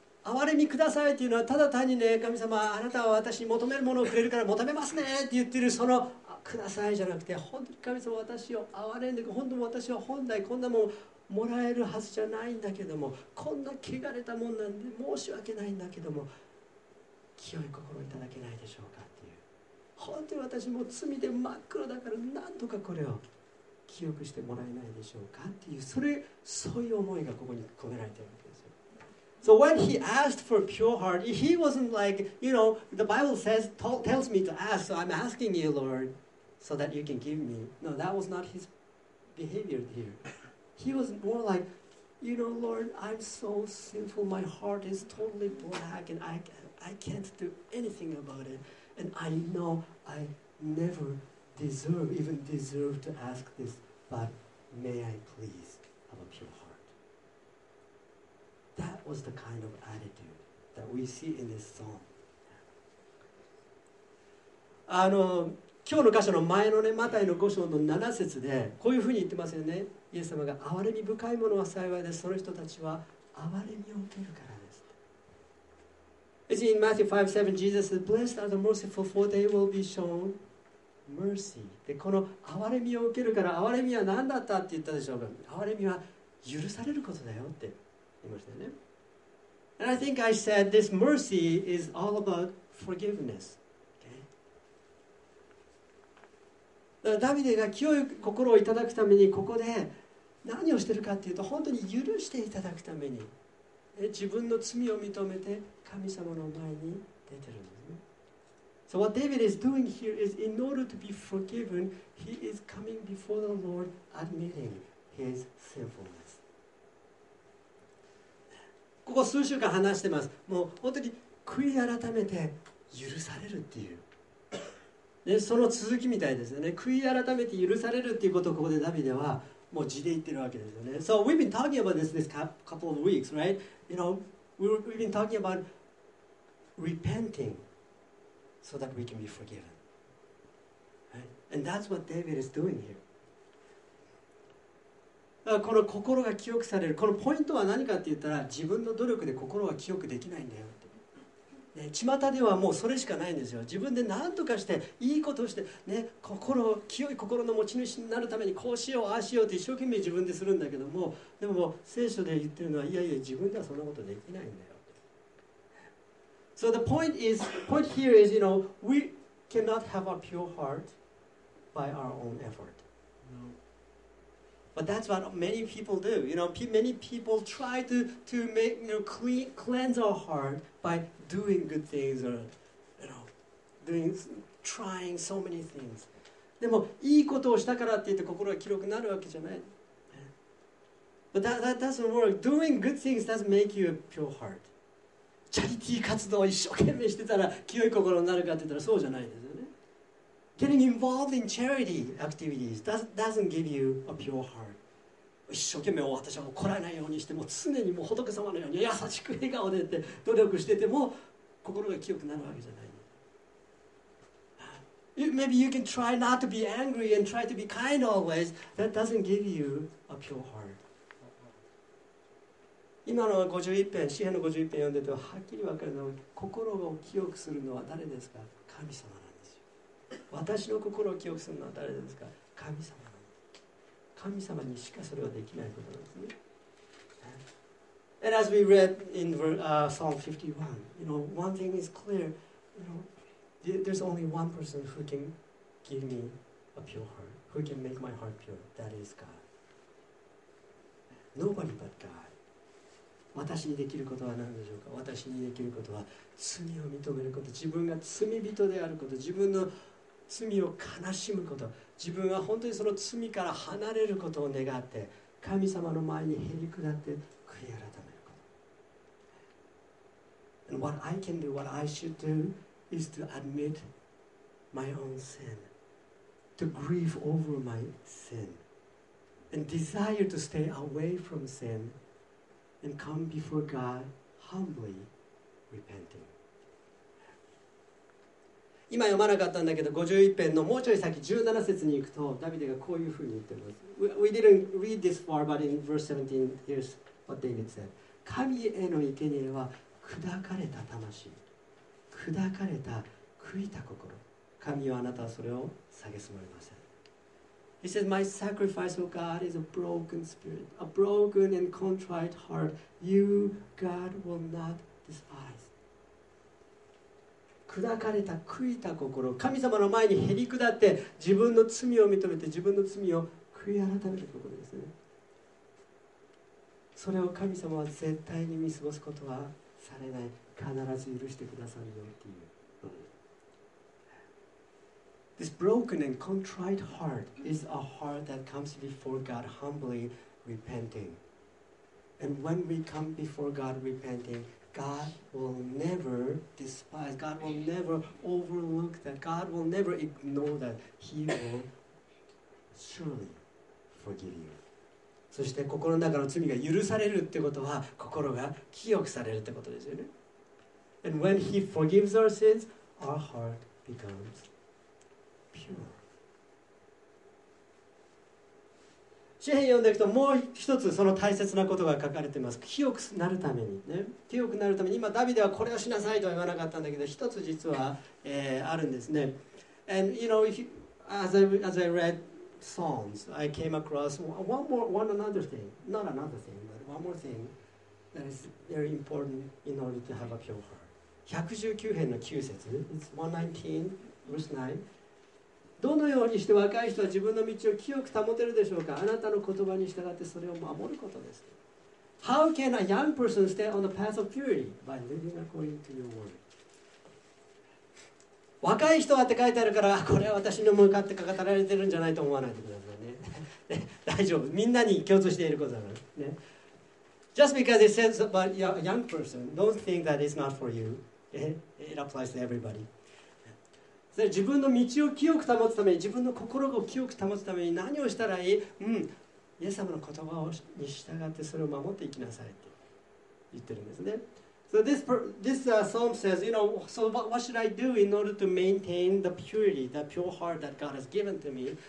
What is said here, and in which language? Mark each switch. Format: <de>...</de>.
<ja>憐れみくださいというのはただ単にね神様あなたは私に求めるものをくれるから求めますねって言ってるそのくださいじゃなくて本当に神様私を憐れんで本当に私は本来こんなもんもらえるはずじゃないんだけどもこんな汚れたもんなんで申し訳ないんだけども清い心をいただけないでしょうかっていう本当に私も罪で真っ黒だから何とかこれを記憶してもらえないでしょうかっていうそういう思いがここに込められているわけですよ。</ja> <en>So when he asked for pure heart, he wasn't like, you know, the Bible says, tells me to ask, so I'm asking you, Lord, so that you can give me. No, that was not his behavior here. He was more like, you know, Lord, I'm so sinful, my heart is totally black, and I can't do anything about it, and I know I never deserve, even deserve to ask this, but may I please have a pure heart? That was the kind of attitude that we see in this song.</en> <ja>今日の箇所の前のね、マタイの5章の7節で、こういうふうに言ってますよね。イエス様が、憐れみ深いものは幸いです。その人たちは憐れみを受けるからです。</ja> <en>It's in Matthew 5:7, Jesus said, Blessed are the merciful, for they will be shown mercy.</en> <ja>で、この憐れみを受けるから、憐れみは何だったって言ったでしょうか。憐れみは許されることだよって言いましたよね。</ja> <en>And I think I said, this mercy is all about forgiveness.</en> <ja>ダビデが清い心をいただくためにここで何をしているかというと本当に許していただくために自分の罪を認めて神様の前に出ているんですね。</ja> <en>So what David is doing here is in order to be forgiven, he is coming before the Lord admitting his sinfulness.</en> <ja>ここ数週間話してます。もう本当に悔い改めて許されるっていう。でその続きみたいですよね。悔い改めて許されるっていうことをここでダビデはもう字で言ってるわけですよね。</ja> <en>So we've been talking about this couple of weeks, right? You know, we've been talking about repenting so that we can be forgiven.、Right? And that's what David is doing here.</en> <ja>この心が清くされる。このポイントは何かって言ったら自分の努力で心が清くできないんだよ。ね、巷ではもうそれしかないんですよ。自分で何とかしていいことをして、ね、心を清い心の持ち主になるためにこうしようああしようって一生懸命自分でするんだけども、でも聖書で言ってるのはいやいや自分ではそんなことできないんだよ。</ja> <en>So the point is, point here is, you know, we cannot have a pure heart by our own effort. No. But that's what many people do. You know, many people try to make, you know, cleanse our heart by doing good things or, you know, doing, trying so many things.</en> <ja>でもいいことをしたからって言って心が清くなるわけじゃない。</ja> <en>But that doesn't work. Doing good things doesn't make you a pure heart.</en> <ja>チャリティー活動を一生懸命してたら清い心になるかって言ったらそうじゃないですよね。</ja> <en>Getting involved in charity activities doesn't give you a pure heart.</en> <ja>一生懸命私は怒らないようにしても常にもう仏様のように優しく笑顔でって努力してても心が清くなるわけじゃない。</ja> <en>Maybe you can try not to be angry and try to be kind always. That doesn't give you a pure heart.</en> <ja>今のは51編、詩編の51編読んでてはっきり分かるのは心を清くするのは誰ですか？神様。私の心を清くするのは誰ですか？神様。神様にしかそれはできないことなんですね。</ja> <en>And as we read in Psalm 51, you know, one thing is clear, you know, there's only one person who can give me a pure heart, who can make my heart pure. That is God. Nobody but God.</en> <ja>私にできることは何でしょうか？私にできることは罪を認めること、自分が罪人であること、自分の罪を悲しむこと、自分は本当にその罪から離れることを願って、神様の前にへり下って悔い改めること。</ja> <en>And what I can do, what I should do, is to admit my own sin, to grieve over my sin, and desire to stay away from sin, and come before God humbly repenting.</en> <ja>今読まなかったんだけど、51編のもうちょい先17節に行くと、ダビデがこういうふうに言ってます。</ja> <en>We didn't read this far, but in verse 17, here's what David said.</en> <ja>神への生贄は砕かれた魂、砕かれた悔いた心、神よあなたはそれを蔑まれません。</ja> <en>He says, My sacrifice, O God, is a broken spirit, a broken and contrite heart. You, God, will not despise.</en> <ja>砕かれた、悔いた心、神様の前にへり下って、自分の罪を認めて、自分の罪を悔い改める心ですね。それを神様は絶対に見過ごすことはされない。必ず許してくださるよっていう。</ja> <en>This broken and contrite heart is a heart that comes before God humbly repenting. And when we come before God repenting, God will never despise, God will never overlook that, God will never ignore that. He will surely forgive you.</en> <ja>そして心の中の罪が許されるってことは、心が清くされるってことですよね。</ja> <en>And when He forgives our sins, our heart becomes clean.</en> <ja>詩編読んでいくと、もう一つその大切なことが書かれています。清くなるためにね、清くなるために、今ダビデはこれをしなさいとは言わなかったんだけど、一つ実は、あるんですね。</ja> <en>And you know, as I read Psalms, I came across one more thing that is very important in order to have a pure heart.</en> <ja>119編の9節、</ja> <en>It's 119 verse 9。</en> <ja>どのようにして若い人は自分の道を清く保てるでしょうか。あなたの言葉に従ってそれを守ることです。</ja> <en>How can a young person stay on the path of purity? By living according to your word.</en> <ja>若い人はって書いてあるから、これは私の向かって語られてるんじゃないと思わないでくださいね。大丈夫。みんなに共通していることだ、ね。</ja> <en>Just because it says about a young person, don't think that it's not for you. It applies to everybody.</en> <ja>自分の道を清く保つために、自分の心を清く保つために何をしたらいい、うん、イエス様の言葉に従ってそれを守っていきなさいって言ってるんですね。</ja> <en>So this psalm says, you know, so what should I do in order to maintain the purity, the pure heart that God has given to me?</en>